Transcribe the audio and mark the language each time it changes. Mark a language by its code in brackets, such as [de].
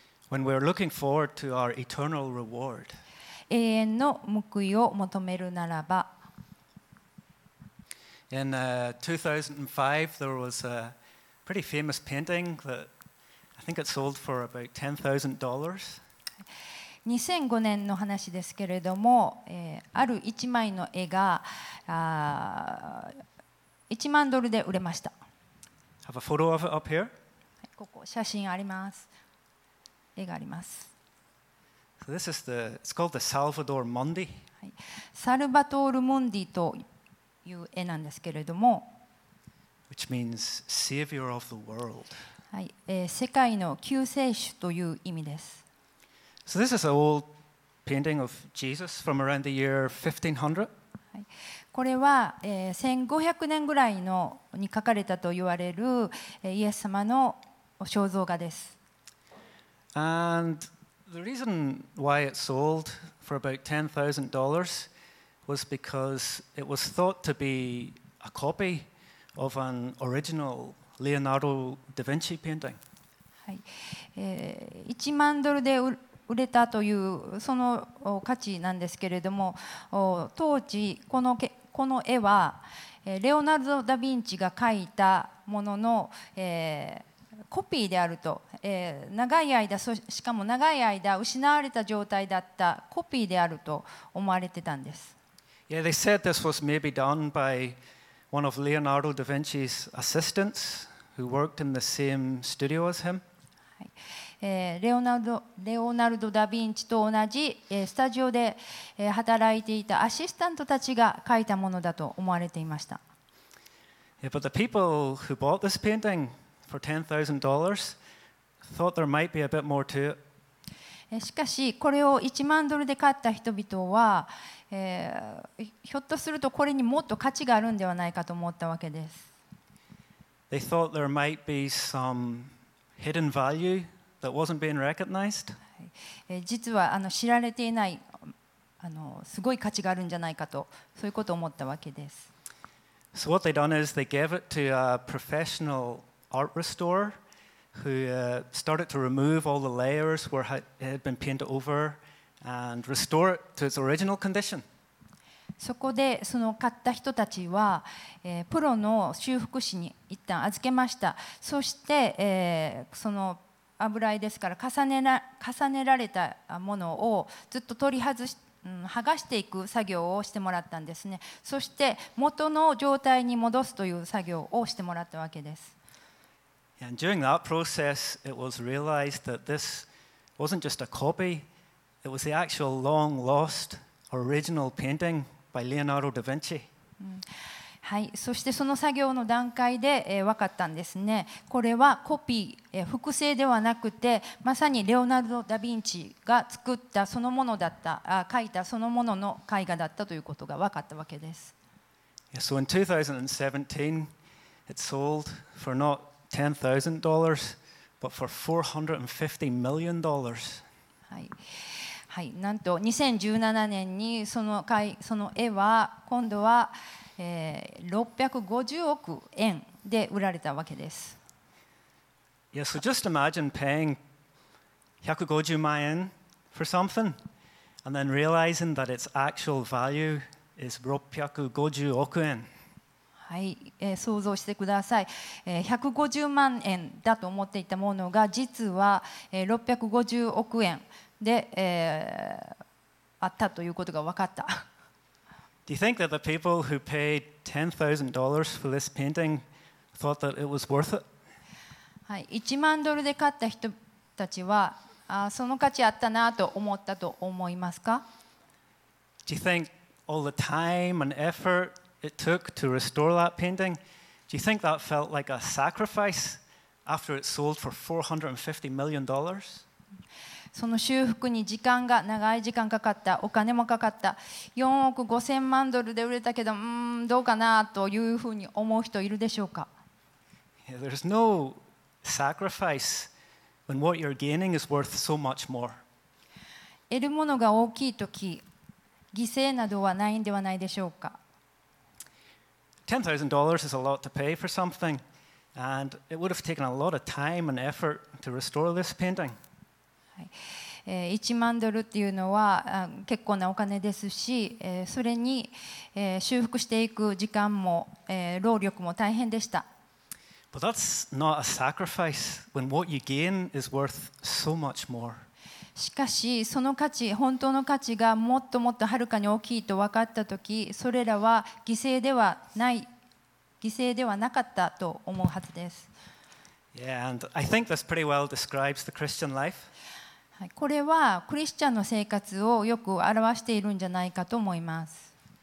[en] When we're looking forward to our eternal reward. [ja] 永遠の報いを求めるならば。 [en] In 2005, there was a pretty famous painting that. I think it sold for about $10,000. [ja] 2005年の話ですけれども、ある1枚の絵が、1万ドルで売れました。 [en] Have a photo of it up here. [ja] ここ写真あります。絵があります。 [en] So this is the, it's called the Salvador Mundi. [ja] サルバトール・ムンディという絵なんですけれども、 [en] which means savior of the world. [ja] はい、世界の救世主という意味です。 [en] So this is an old painting of Jesus from around the year 1500. [ja] はい、これは、1500年ぐらいのに描かれたと言われる、イエス様の肖像画です。 [en] And the reason why it sold for about $10,000 was because it was thought to be a copy of an original. Leonardo da Vinci painting. [ja] はい、1万ドルで売れたというその価値なんですけれども、当時この絵は、レオナルド・ダ・ヴィンチが描いたものの、コピーであると、長い間しかも長い間失われた状態だったコピーであると思われてたんです。 [en] Yeah, they said this was maybe done byOne of Leonardo da Vinci's assistants who worked in the same studio as him. [ja] Leonardo da Vinci と同じスタジオで働いていたアシスタントたちが描いたものだと思われていました。 [en] Yeah, but the people who bought this painting for $10,000 thought there might be a bit more to it. [ja] しかしこれを1万ドルで買った人々はひょっとするとこれにもっと価値があるんではないかと思ったわけです。 [en] They thought there might be some hidden value that wasn't being recognized. [ja] 実は知られていないすごい価値があるんじゃないかとそういうことを思ったわけです。 [en] So what they done is they gave it to a professional art restorer who started to remove all the layers where it had been painted over. And restore it to its original condition. [ja] そこでその買った人たちは、プロの修復師に一旦預けました。そして、その油絵ですから重ねられたものをずっと取り外し、剥がしていく作業をしてもらったんですね。そして元の状態に戻すという作業をしてもらったわけです。 [en] And during that process, it was realized that this wasn't just a copy. It was the actual long lost original painting by Leonardo da Vinci. [ja] はい、そしてその作業の段階で、分かったんですね。これはコピー、複製ではなくて、まさにレオナルド・ダ・ヴィンチが作ったそのものだった、描いたそのものの絵画だったということが分かったわけです。 [en] Yeah, so in 2017, it sold for not $10,000, but for $450 million. [ja] はい。はい、なんと2017年にその絵は今度は650億円で売られたわけです。 [en] Yeah, so just imagine paying [ja] 150万円 [en] for something and then realizing that its actual value is [ja] 650億円。はい、想像してください。150万円だと思っていたものが実は650億円で、あったということが分かった。 [en] Do you think that the people who paid $10,000 for this painting thought that it was worth it? [ja] はい、1万ドルで買った人たちは、その価値あったなと思ったと思いますか? [en] Do you think all the time and effort it took to restore that painting, do you think that felt like a sacrifice after it sold for $450 million? [ja] その修復に時間が長い時間かかった、お金もかかった、4億5000万ドルで売れたけど、どうかなというふうに思う人いるでしょうか。 [en] Yeah, there's no sacrifice when what you're gaining is worth so much more. [ja] 得るものが大きいとき、犠牲などはないんではないでしょうか。 [en] $10,000 is a lot to pay for something, and it would have taken a lot of time and effort to restore this painting. [ja] 1万ドルっていうのは結構なお金ですし、それに修復していく時間も労力も大変でした。 [en] But that's not a sacrifice when what you gain is worth so much more. [ja] しかしその価値、本当の価値がもっともっとはるかに大きいと分かったとき、それらは犠牲ではない、犠牲ではなかったと思うはずです。 [en] Yeah, and I think this pretty well describes the Christian life. [ja] これはクリスチャンの生活をよく表しているんじゃないかと思います。